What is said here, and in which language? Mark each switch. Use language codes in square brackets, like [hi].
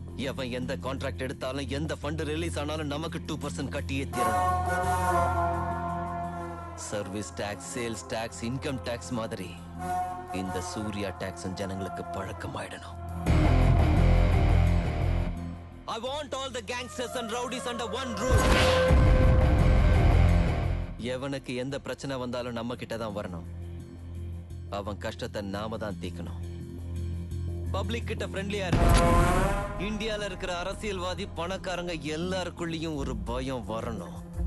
[ta] எவன் எந்த கான்ட்ராக்ட் எடுத்தாலும் எந்த ஃபண்ட் ரிலீஸ் ஆனாலும் நமக்கு 2% கட்டியே தீரும். Service tax, sales tax, income tax மாதிரி இந்த சூர்யா டாக்ஸும் ஜனங்களுக்கு பழக்கம் ஆயிடணும். [en] I want all the gangsters and rowdies under one roof. [ta] எவனுக்கு எந்த பிரச்சனை வந்தாலும் நம்ம கிட்ட தான் வரணும். அவன் கஷ்டத்தை நாம தான் தீக்கணும். பப்ளிக் கிட்ட ஃப்ரெண்ட்லியா இருக்கணும். இந்தியால இருக்கிற அரசியல்வாதி பணக்காரங்க எல்லாருக்குள்ளயும் ஒரு பயம் வரணும்.